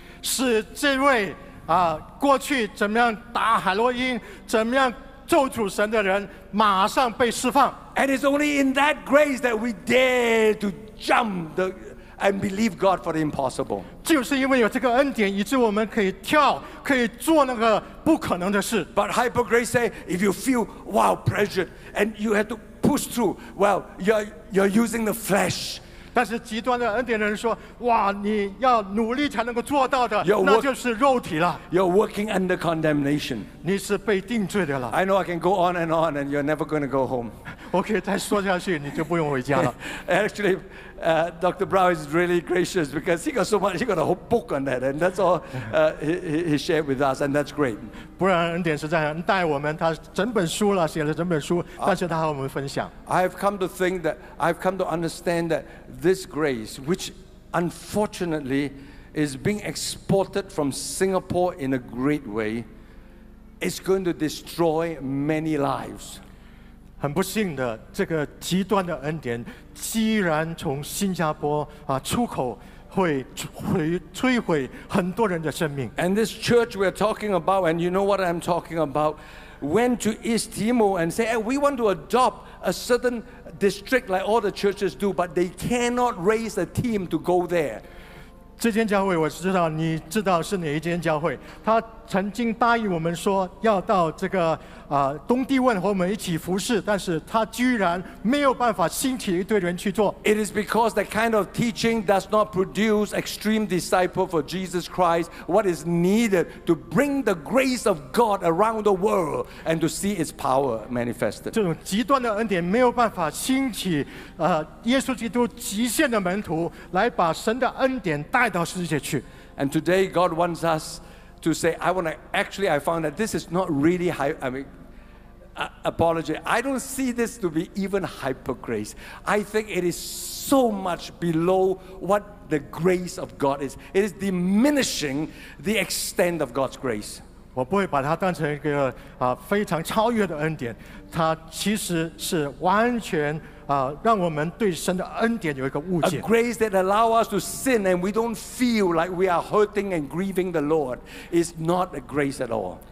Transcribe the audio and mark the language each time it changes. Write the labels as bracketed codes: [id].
[zh] 是这位啊，过去怎么样打海洛因，怎么样咒诅神的人，马上被释放。 [en] And it's only in that grace that we dare to jump the, and believe God for the impossible. [zh] 就是因为有这个恩典，以致我们可以跳，可以做那个不可能的事。 [en] But hyper grace say, if you feel wow pressured and you have to push through, well, you're using the flesh. [zh] 但是极端的恩典的人说，哇，你要努力才能够做到的，那就是肉体了。 [en] You're working under condemnation. [zh] 你是被定罪的了。 [en] I know I can go on, and you're never going to go home. [zh] Okay, 再说下去你就不用回家了。 [en] Actually, Dr. Brown is really gracious because he got so much, he got a whole book on that, and that's all he shared with us, and that's great. [zh] 不然恩典实在很带我们，他整本书了，写了整本书，但是他和我们分享。 [en] I've come to understand that this grace, which unfortunately is being exported from Singapore in a great way, is going to destroy many lives. [zh] 很不幸的，这个极端的恩典，既然从新加坡啊出口，会摧毁很多人的生命。 [en] And this church we're talking about, and you know what I'm talking about, went to East Timor and said, "Hey, we want to adopt a certain district like all the churches do, but they cannot raise a team to go there." [zh] 这间教会我知道，你知道是哪一间教会？他曾经答应我们说要到这个东帝汶和我们一起服事，但是他居然没有办法兴起一堆人去做。 [en] It is because that kind of teaching does not produce extreme disciple for Jesus Christ. What is needed to bring the grace of God around the world and to see its power manifested? [zh] 这种极端的恩典没有办法兴起耶稣基督极限的门徒，来把神的恩典带到世界去。 [en] And today God wants us. To say, I want to actually, I found that this is not really high. I mean, apology. I don't see this to be even hypergrace. I think it is so much below what the grace of God is. It is diminishing the extent of God's grace. [zh] 我不会把它当成一个非常超越的恩典，它其实是完全让我们对神的恩典有一个误解。 [en] A grace that allows us to sin and we don't feel like we are hurting and grieving the Lord is not a grace at all.